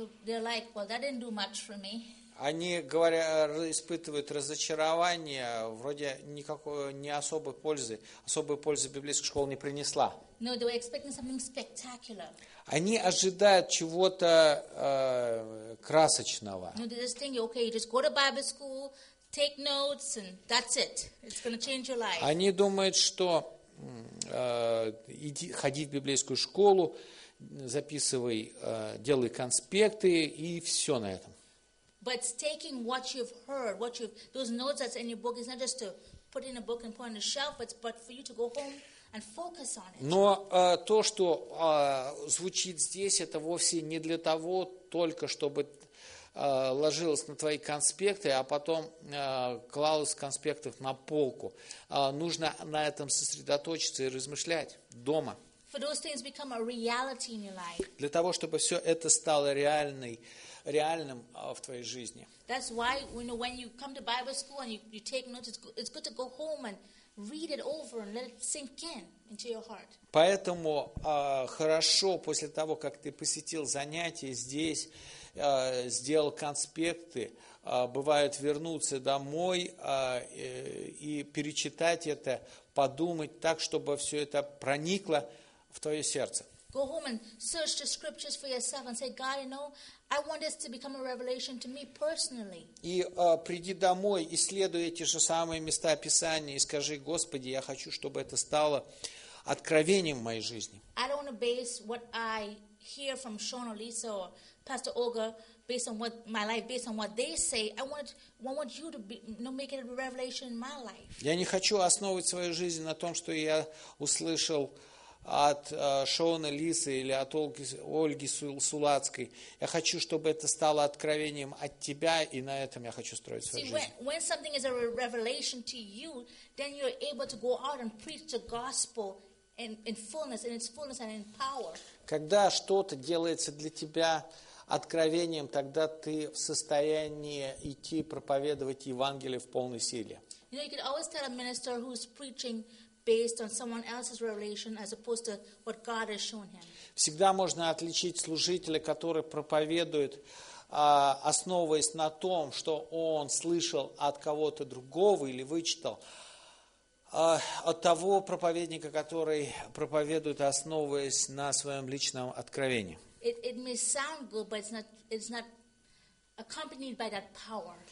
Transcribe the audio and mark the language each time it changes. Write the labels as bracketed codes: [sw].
[en] They're like, well, that didn't do much for me. [ru] Они говорят, испытывают разочарование, вроде никакой, не особой пользы. Особой пользы библейская школа не принесла. [en] No, they were expecting something spectacular. [ru] Они ожидают чего-то красочного. [en] No, they're just thinking, okay, you just go to Bible school, take notes, and that's it. It's going to change your life. [ru] Они думают, что ходи в библейскую школу, записывай, делай конспекты, и все на этом. [en] But taking what you've heard, what you've those notes that's in your book is not just to put in a book and put on the shelf, but for you to go home and focus on it. [ru] Но то, что звучит здесь, это вовсе не для того, только чтобы ложилось на твои конспекты, а потом клалось конспектов на полку. Нужно на этом сосредоточиться и размышлять дома. [en] For those things become a reality in your life. [ru] Для того, чтобы все это стало реальным в твоей жизни. [en] That's why when you come to Bible school and you take notes, it's good to go home and read it over and let it sink in into your heart. [ru] Поэтому хорошо после того, как ты посетил занятия здесь, сделал конспекты, бывает вернуться домой и перечитать это, подумать так, чтобы все это проникло в твое сердце. [en] Go home and search the scriptures for yourself and say, God, you know, I want this to become a revelation to me personally. [ru] И приди домой, исследуй эти же самые места Писания и скажи, Господи, я хочу, чтобы это стало откровением в моей жизни. [en] I don't want to base what I hear from Sean or Lisa or Pastor Olga based on what my life, based on what they say. I want you to be, you know, make it a revelation in my life. [ru] Я не хочу основывать свою жизнь на том, что я услышал от Шона Лисы или от Ольги Сулацкой. Я хочу, чтобы это стало откровением от тебя, и на этом я хочу строить свою жизнь. [en] When something is a revelation to you, then you're able to go out and preach the gospel in its fullness and in power. [ru] Когда что-то делается для тебя откровением, тогда ты в состоянии идти проповедовать Евангелие в полной силе. [en] You know, you could always tell a minister who's preaching based on someone else's revelation as opposed to what God has shown him. [ru] Всегда можно отличить служителя, который проповедует, основываясь на том, что он слышал от кого-то другого или вычитал, от того проповедника, который проповедует, основываясь на своем личном откровении. [en] It may sound good, but it's not accompanied by that power.